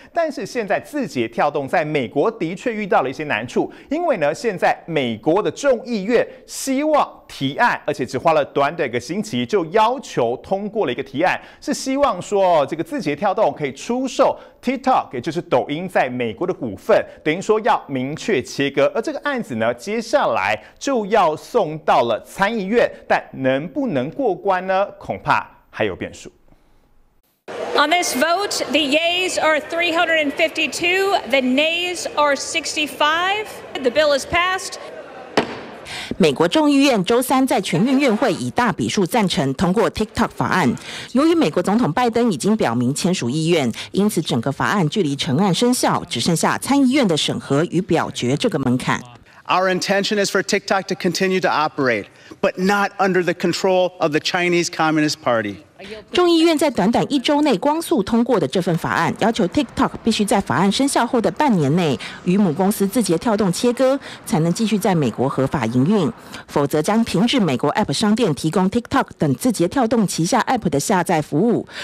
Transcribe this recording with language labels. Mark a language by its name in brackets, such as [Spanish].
[Chinese] 但是现在字节跳动在美国的确遇到了一些难处，因为呢，现在美国的众议院希望提案，而且只花了短短一个星期就要求通过了一个提案，是希望说这个字节跳动可以出售 TikTok， 也就是抖音在美国的股份，等于说要明确切割。而这个案子呢，接下来就要送到了参议院，但能不能过关呢？恐怕还有变数。 [English] On this vote, the yeas are 352, the nays are 65. The bill is passed. [Chinese] 美国众议院周三在全院院会以大比数赞成通过 TikTok 法案。由于美国总统拜登已经表明签署意愿，因此整个法案距离成案生效只剩下参议院的审核与表决这个门槛。 [English] Our intention is for TikTok to continue to operate, but not under the control of the Chinese Communist Party. [Chinese] 众议院在短短一周内光速通过的这份法案，要求 TikTok 必须在法案生效后的半年内与母公司字节跳动切割，才能继续在美国合法营运，否则将停止美国 App 商店提供 TikTok 等字节跳动旗下 App 的下载服务。